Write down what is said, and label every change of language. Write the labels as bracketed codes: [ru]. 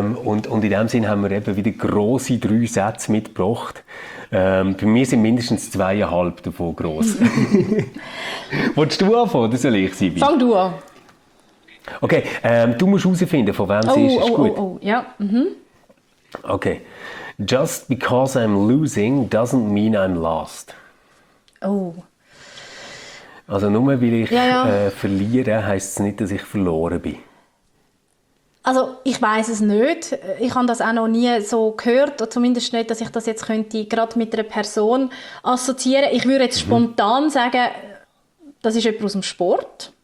[de] Und in dem Sinn haben wir eben wieder grosse drei Sätze mitgebracht. Bei mir sind mindestens 2,5 davon gross. Wolltest du anfangen oder soll ich sein? Fang du an. Okay, du musst herausfinden, von wem sie ist. Okay. [en] Just because I'm losing doesn't mean I'm lost. Oh. [de] Also nur weil ich verliere, heisst es nicht, dass ich verloren bin. Also ich weiss es nicht. Ich habe das auch noch nie so gehört. Oder zumindest nicht, dass ich das jetzt könnte gerade mit einer Person assoziieren. Ich würde jetzt spontan sagen, das ist jemand aus dem Sport.